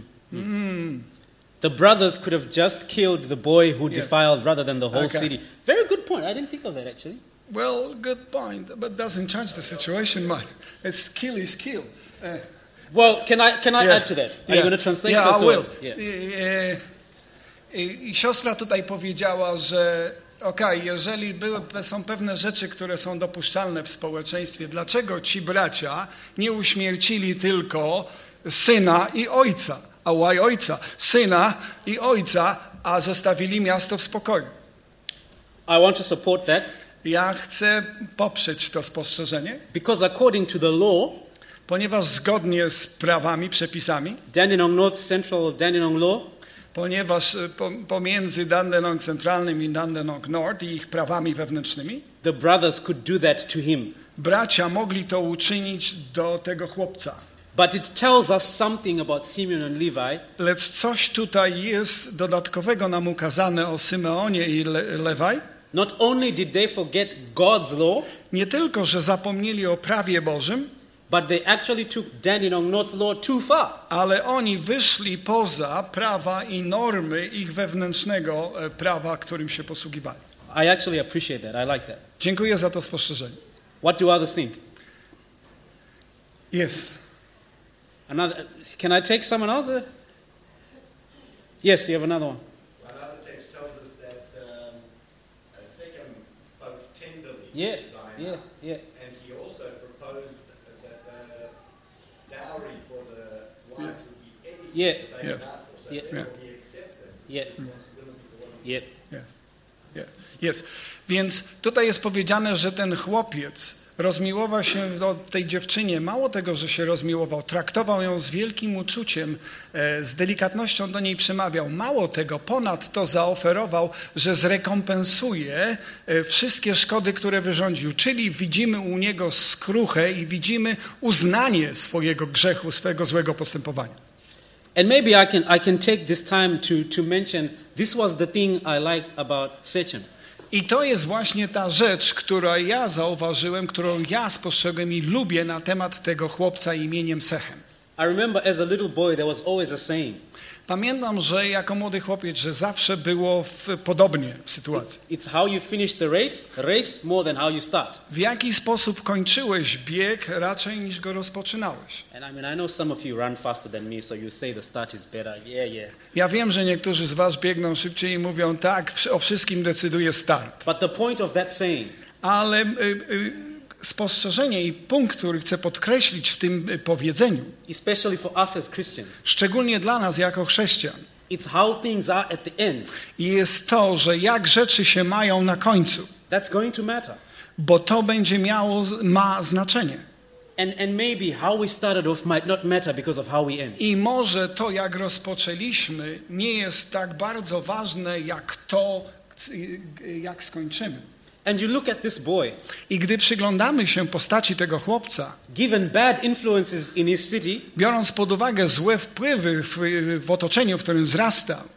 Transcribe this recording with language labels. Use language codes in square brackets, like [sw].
[en] The brothers could have just killed the boy who defiled rather than the whole city. Very good point. I didn't think of that actually. Well, good point, but doesn't change the situation much. It's kill is kill. Well, can I add to that? Are you going to translate first? I will. [pl] Siostra tutaj powiedziała, że okej, jeżeli są pewne rzeczy, które są dopuszczalne w społeczeństwie, dlaczego ci bracia nie uśmiercili tylko syna i ojca? A [en] why [pl] ojca? Syna i ojca, a zostawili miasto w spokoju. [en] I want to support that. [pl] Ja chcę poprzeć to spostrzeżenie. [en] Because according to the law, [pl] ponieważ zgodnie z prawami, przepisami, [en] Dandenong North Central Dandenong Law, [pl] ponieważ pomiędzy Dandenong Centralnym i Dandenong North i ich prawami wewnętrznymi, [en] the brothers could do that to him. [pl] Bracia mogli to uczynić do tego chłopca. [en] But it tells us something about Simeon and Levi. [pl] Lecz coś tutaj jest dodatkowego nam ukazane o Symeonie i Lewaj. [en] Not only did they forget God's law, [pl] nie tylko że zapomnieli o prawie Bożym, [en] but they actually took Dandenong North law too far. [pl] Ale oni wyszli poza prawa i normy ich wewnętrznego prawa, którym się posługiwali. [en] I actually appreciate that. I like that. [pl] Dziękuję za to spostrzeżenie. [en] What do others think? Yes. Another, can I take someone else? Yes, you have another one. Another text tells us that a second spoke tenderly to Dinah, and he also proposed that the dowry for the wife would be anything that they had asked for, so therefore he accepted the responsibility for one of them. [pl] Jest. Więc tutaj jest powiedziane, że ten chłopiec rozmiłował się do tej dziewczynie. Mało tego, że się rozmiłował, traktował ją z wielkim uczuciem, z delikatnością do niej przemawiał. Mało tego, ponad to zaoferował, że zrekompensuje wszystkie szkody, które wyrządził. Czyli widzimy u niego skruchę i widzimy uznanie swojego grzechu, swojego złego postępowania. [en] And maybe I can take this time to mention this was the thing I liked about Sechen. [pl] I to jest właśnie ta rzecz, którą ja zauważyłem, którą ja spostrzegłem i lubię na temat tego chłopca imieniem Sechem. [en] I remember as a little boy there was always a saying. [pl] Pamiętam, że jako młody chłopiec, że zawsze było podobnie w sytuacji. [en] It's how you finish the race more than how you start. [pl] W jaki sposób kończyłeś bieg raczej niż go rozpoczynałeś. [en] And I mean, I know some of you run faster than me, so you say the start is better. Yeah. [pl] Ja wiem, że niektórzy z was biegną szybciej i mówią tak, o wszystkim decyduje start. [en] But the point of that saying. [pl] Ale spostrzeżenie i punkt, który chcę podkreślić w tym powiedzeniu, [en] especially for us as Christians, [pl] szczególnie dla nas jako chrześcijan, [en] it's how things are at the end. [pl] Jest to, że jak rzeczy się mają na końcu. [en] That's going to matter. [pl] Bo to będzie miało, ma znaczenie. [en] And maybe how we started off might not matter because of how we end. [pl] I może to, jak rozpoczęliśmy, nie jest tak bardzo ważne, jak to, jak skończymy. [en] And you look at this boy. [pl] I gdy przyglądamy się postaci tego chłopca, [en] given bad influences in his city, [pl] biorąc pod uwagę złe wpływy w otoczeniu, w którym wzrasta,